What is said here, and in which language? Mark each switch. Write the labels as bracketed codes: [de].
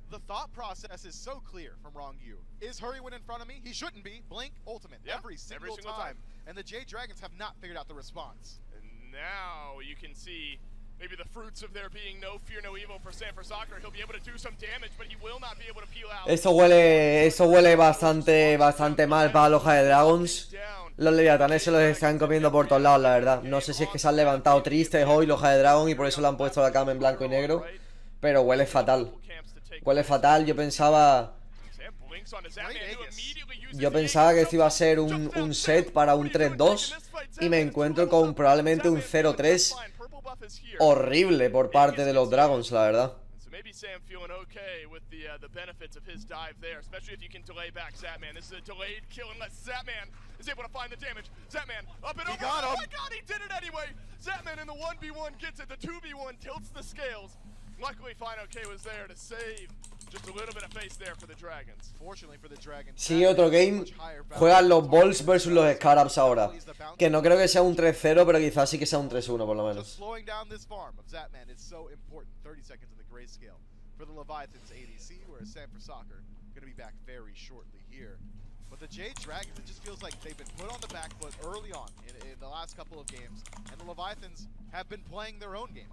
[en] The thought process is so clear from Wrong You. Is Hurriwin in front of me? He shouldn't be. Blink, ultimate. Yeah, every single time. And the Jade Dragons have not figured out the response. And now you can see maybe the fruits of there being no fear, no evil for Sam for soccer. He'll be able to do some damage, but he will not be able to peel out. [es] Eso huele bastante, bastante mal para los Jade Dragons. Los Leviathanes se los están comiendo por todos lados, la verdad. No sé si es que se han levantado tristes hoy los Jade Dragon y por eso le han puesto la cama en blanco y negro. Pero huele fatal. Huele fatal, yo pensaba que esto iba a ser un set para un 3-2. Y me encuentro con probablemente un 0-3. Horrible por parte de los Dragons, la verdad. [en] Maybe Sam feeling okay with the benefits of his dive there, especially if you can delay back Zapman. This is a delayed kill unless Zapman is able to find the damage. Zapman up and he over. Got him. Oh my god, he did it anyway! Zapman in the 1v1 gets it, the 2v1 tilts the scales. Luckily, Fine OK was there to save just a little bit of face there for the Dragons. Fortunately for the Dragons. [es] Sí, otro game. Juegan los Bolts versus los Scarabs ahora. Que no creo que sea un 3-0, pero quizás sí que sea un 3-1 por lo menos. [en] Just slowing down this farm of Zapman is so important. 30 seconds of the grayscale for the Leviathan's ADC, whereas Sam for soccer gonna be back very shortly here. But the Jade Dragons, it just feels like they've been put on the back foot early on in the last couple of games, and the Leviathans have been playing their own game.